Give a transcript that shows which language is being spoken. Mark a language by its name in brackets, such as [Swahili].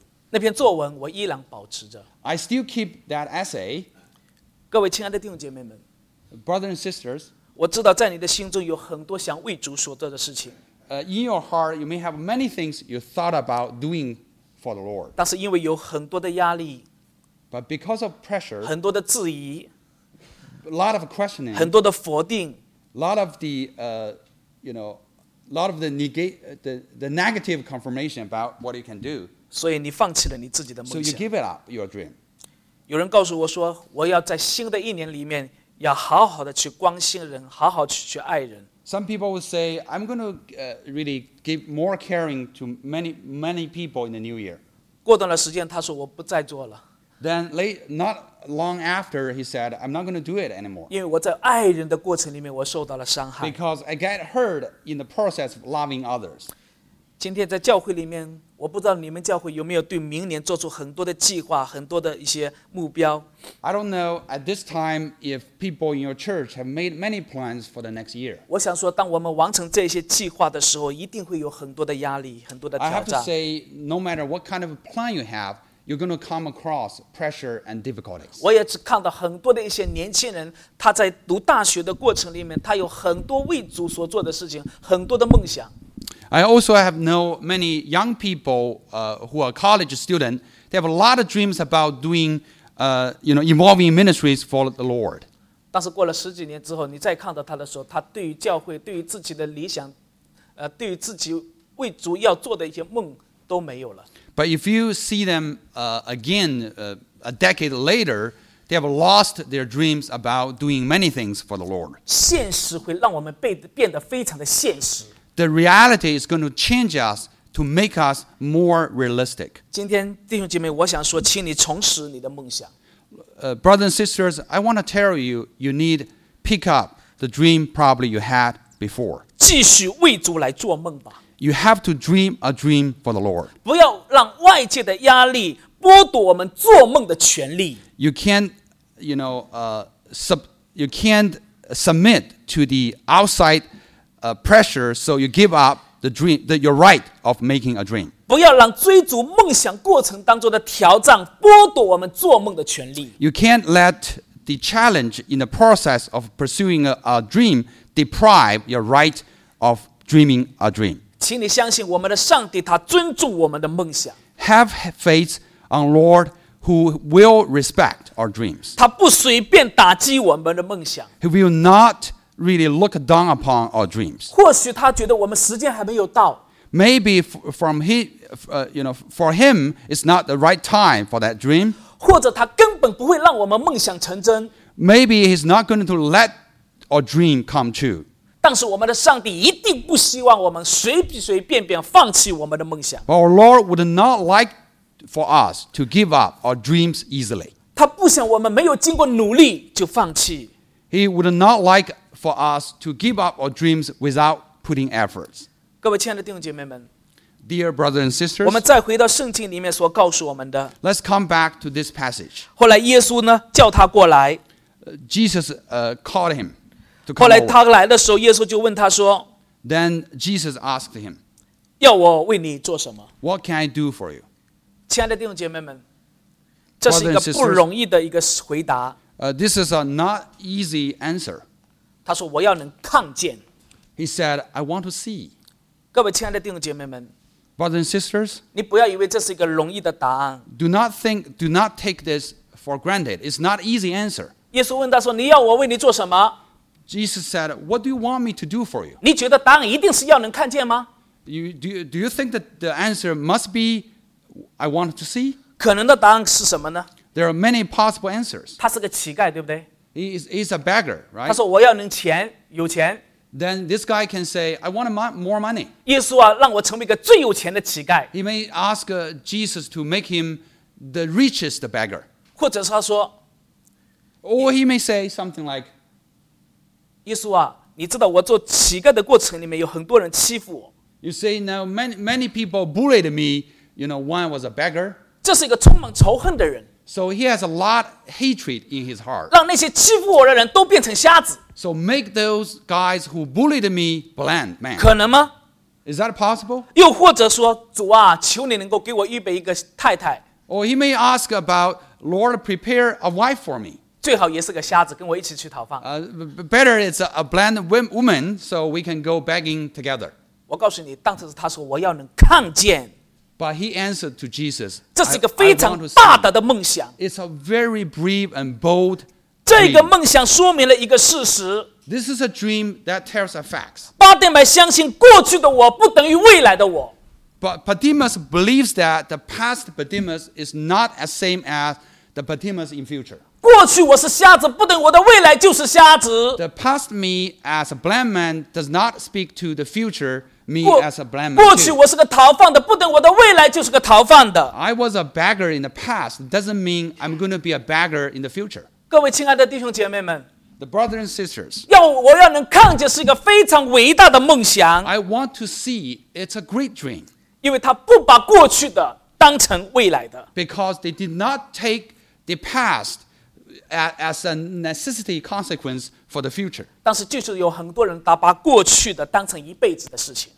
[Chinese] 那篇作文我依然保持着。 [English] I still keep that essay. [Chinese] 各位亲爱的弟兄姐妹们。 [English] Brothers and sisters. [Chinese] 我知道在你的心中有很多想为主所做的事情。 [English] In your heart, you may have many things you thought about doing for the Lord. [Chinese] 但是因为有很多的压力。 [English] But because of pressure. [Chinese] 很多的质疑。 [English] A lot of questioning. [Chinese] 很多的否定。 [English] A lot of the, you know, a lot of the negative confirmation about what you can do. [Chinese] 所以你放弃了你自己的梦想。 [English] So you give it up, your dream. [Chinese] 有人告诉我说，我要在新的一年里面要好好的去关心人，好好去爱人。 [English] Some people would say, I'm going to really give more caring to many, many people in the new year. [Chinese] 过段的时间，他说我不再做了。 [English] Then not long after, he said, I'm not going to do it anymore. [Chinese] 因为我在爱人的过程里面，我受到了伤害。 [English] Because I got hurt in the process of loving others. [Chinese] 今天在教会里面，我不知道你们教会有没有对明年做出很多的计划，很多的一些目标。 [English] I don't know at this time if people in your church have made many plans for the next year. [Chinese] 我想说，当我们完成这些计划的时候，一定会有很多的压力，很多的挑战。 [English] I have to say, no matter what kind of plan you have, you're going to come across pressure and difficulties. [Chinese] 我也只看到很多的一些年轻人，他在读大学的过程里面，他有很多为主所做的事情，很多的梦想。 [English] I also have known many young people who are college students. They have a lot of dreams about doing, you know, evolving ministries for the Lord. [Chinese] 但是过了十几年之后，你再看到他的时候，他对于教会、对于自己的理想，对于自己为主要做的一些梦都没有了。 [English] But if you see them again a decade later, they have lost their dreams about doing many things for the Lord. [Chinese] 现实会让我们变得非常的现实。 [English] The reality is going to change us to make us more realistic. [Chinese] 今天弟兄姐妹，我想说，请你重拾你的梦想。 [English] brothers and sisters, I want to tell you, you need pick up the dream probably you had before. [Chinese] 继续为主来做梦吧。 [English] You have to dream a dream for the Lord. [Chinese] 不要让外界的压力剥夺我们做梦的权利。 [English] You can't, you know, you can't submit to the outside, pressure, so you give up the dream, the, your right of making a dream. [Chinese] 不要让追逐梦想过程当中的挑战剥夺我们做梦的权利。 [English] You can't let the challenge in the process of pursuing a dream deprive your right of dreaming a dream. [Chinese] 请你相信我们的上帝，他尊重我们的梦想。 [English] Have faith on Lord who will respect our dreams. [Chinese] 他不随便打击我们的梦想。 [English] He will not really look down upon our dreams. [Chinese] 或许他觉得我们时间还没有到。 [English] Maybe from he, you know, for him, it's not the right time for that dream. [Chinese] 或者他根本不会让我们梦想成真。 [English] Maybe he's not going to let our dream come true. [Chinese] 但是我们的上帝一定不希望我们随随便便放弃我们的梦想。 [English] But our Lord would not like for us to give up our dreams easily. [Chinese] 他不想我们没有经过努力就放弃。 [English] He would not like for us to give up our dreams without putting efforts. [Chinese] 各位亲爱的弟兄姐妹们 [English] ，Dear brothers and sisters， [Chinese] 我们再回到圣经里面所告诉我们的。 [English] Let's come back to this passage. [Chinese] 后来耶稣呢叫他过来。 [English] Jesus called him. [Chinese] 后来他来的时候，耶稣就问他说 [English] ：“Then Jesus asked him, [Chinese] 要我为你做什么 [English] ？What can I do for you？” [Chinese] 亲爱的弟兄姐妹们，这是一个不容易的一个回答。 [English] This is a not easy answer. [Chinese] 他说：“我要能看见。 [English] ”He said, "I want to see." [Chinese] 各位亲爱的弟兄姐妹们 [English] ，Brothers and sisters， [Chinese] 你不要以为这是一个容易的答案。 [English] Do not take this for granted. It's not easy answer. [Chinese] 耶稣问他说：“你要我为你做什么？” [English] Jesus said, "What do you want me to do for you?" [Chinese] 你觉得答案一定是要能看见吗 [English] ？Do you think that the answer must be, "I want to see"? [Chinese] 可能的答案是什么呢 [English] ？There are many possible answers. [Chinese] 他是个乞丐，对不对 [English] ？He's a beggar, right? [Chinese] 他说我要能钱，有钱。 [English] Then this guy can say, "I want more money." [Chinese] 耶稣啊，让我成为一个最有钱的乞丐。 [English] He may ask Jesus to make him the richest beggar. [Chinese] 或者是他说 [English] ，Or he may say something like. [Chinese] 耶稣啊，你知道我做乞丐的过程里面有很多人欺负我。 [English] You say now many people bullied me, you know, when I was a beggar. [Chinese] 这是一个充满仇恨的人。 [English] So he has a lot of hatred in his heart. [Chinese] 让那些欺负我的人都变成瞎子。 [English] So make those guys who bullied me blind, man. [Chinese] 可能吗 [English] ？Is that possible? [Chinese] 又或者说，主啊，求你能够给我预备一个太太。 [English] Or he may ask about Lord, prepare a wife for me. [Chinese] 最好也是个瞎子，跟我一起去讨饭。 [English] Better it's a blind woman, so we can go begging together. [Chinese] 我告诉你，当时他说我要能看见。 [English] But he answered to Jesus. [Chinese] 这是一个非常大胆的梦想。 [English] It's a very brave and bold dream. [Chinese] 这个梦想说明了一个事实。 [English] This is a dream that tells a fact. [Chinese] 巴迪麦相信过去的我不等于未来的我。 [English] But Bartimaeus believes that the past Bartimaeus is not as same as the Bartimaeus in future. [Chinese] 过去我是瞎子，不等我的未来就是瞎子。 [English] The past me as a blind man does not speak to the future me as a blind man. [Chinese] 过去我是个逃犯的，不等我的未来就是个逃犯的。 [English] I was a beggar in the past doesn't mean I'm going to be a beggar in the future. [Chinese] 各位亲爱的弟兄姐妹们 [English] ，The brothers and sisters， [Chinese] 我要能看见是一个非常伟大的梦想。 [English] I want to see it's a great dream， [Chinese] 因为他不把过去的当成未来的。 [English] Because they did not take the past. As a necessity consequence for the future. [Chinese] 但是就是有很多人把过去的当成一辈子的事情。